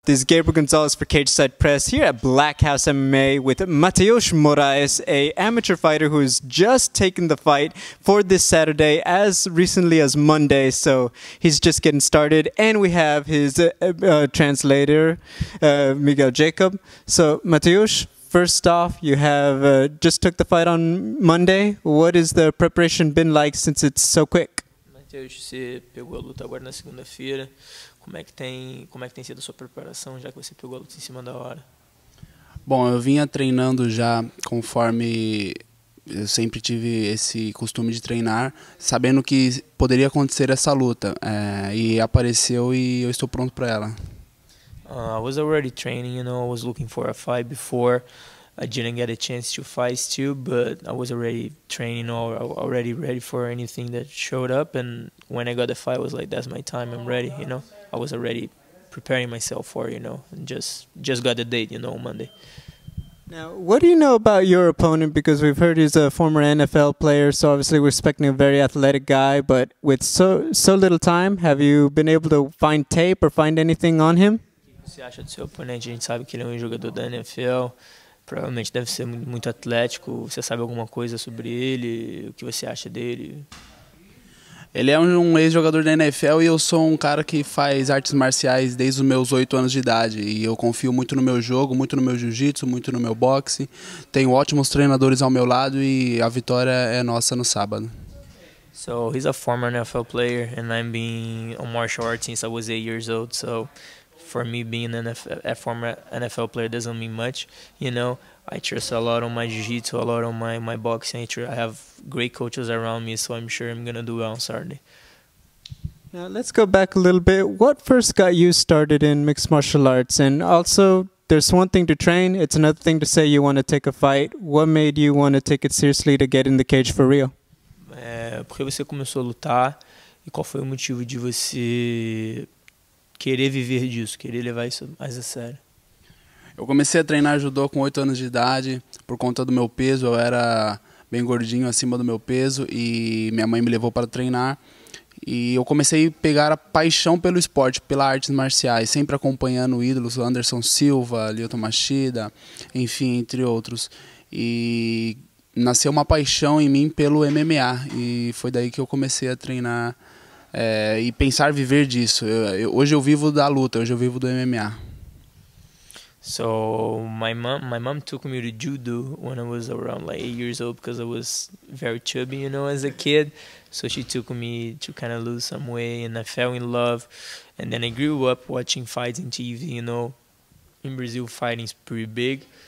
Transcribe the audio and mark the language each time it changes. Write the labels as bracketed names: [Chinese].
[English] This is Gabriel Gonzalez for Cage Side Press here at BlackHouse MMA with Matheus Moraes, a amateur fighter who has just taken the fight for this Saturday as recently as Monday. So he's just getting started. And we have his translator, Miguel Jacob. So Matheus, first off, you have just took the fight on Monday. What has the preparation been like since it's so quick? [Portuguese] Matheus, você pegou a luta agora na segunda-feira. Como é que tem sido a sua preparação, já que você pegou a luta em cima da hora? Bom, eu vinha treinando já conforme eu sempre tive esse costume de treinar, sabendo que poderia acontecer essa luta. E apareceu e eu estou pronto para ela. [English] I was already training, you know, I was looking for a fight before. I didn't get a chance to fight still, but I was already training, or already ready for anything that showed up. And when I got the fight, I was like, that's my time, I'm ready, you know. I was already preparing myself for, you know, and just got the date, you know, Monday. Now, what do you know about your opponent? Because we've heard he's a former NFL player, so obviously we're expecting a very athletic guy. But with so little time, have you been able to find tape or find anything on him? [Portuguese] Você acha do seu oponente? A gente sabe que ele é um jogador da NFL, provavelmente deve ser muito atlético. Você sabe alguma coisa sobre ele? O que você acha dele? Ele é um ex-jogador da NFL e eu sou um cara que faz artes marciais desde os meus 8 anos de idade. E eu confio muito no meu jogo, muito no meu jiu-jitsu, muito no meu boxe. Tenho ótimos treinadores ao meu lado e a vitória é nossa no sábado. [English] So he's a former NFL player and I've been a martial arts since I was 8 years old, so for me being a former NFL player doesn't mean much, you know. I trust a lot on my jiu-jitsu, a lot on my boxing. I have great coaches around me, so I'm sure I'm going to do well on Saturday. Now, let's go back a little bit. What first got you started in mixed martial arts? And also, there's one thing to train. It's another thing to say you want to take a fight. What made you want to take it seriously to get in the cage for real? [Portuguese] Porque você começou a lutar. E qual foi o motivo de você querer viver disso, querer levar isso mais a sério? Eu comecei a treinar judô com 8 anos de idade, por conta do meu peso, eu era bem gordinho, acima do meu peso, e minha mãe me levou para treinar. E eu comecei a pegar a paixão pelo esporte, pelas artes marciais, sempre acompanhando ídolos, Anderson Silva, Lyoto Machida, enfim, entre outros. E nasceu uma paixão em mim pelo MMA, e foi daí que eu comecei a treinar e pensar viver disso. Hoje eu vivo da luta, hoje eu vivo do MMA. [English] So my mom took me to judo when I was around like 8 years old because I was very chubby, you know, as a kid. So she took me to kind of lose some weight and I fell in love. And then I grew up watching fights on TV, you know. In Brazil, fighting is pretty big.